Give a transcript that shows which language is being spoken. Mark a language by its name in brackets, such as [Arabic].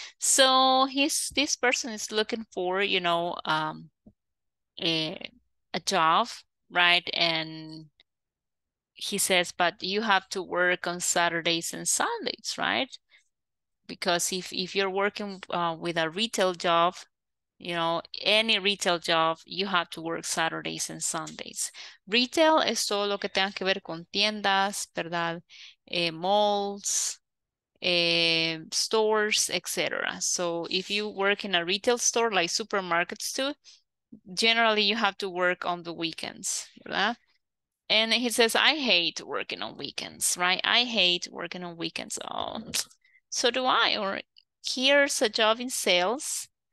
[English] So this person is looking for, you know, a job, right? And he says, but you have to work on Saturdays and Sundays, right? Because if you're working with a retail job, you know, any retail job, you have to work Saturdays and Sundays. [Spanish] Retail es todo lo que tenga que ver con tiendas, ¿verdad? [English] Malls, stores, etc. So if you work in a retail store, like supermarkets too, generally you have to work on the weekends, ¿verdad? And he says, I hate working on weekends, right? I hate working on weekends. Oh, so do I. Or here's a job in sales.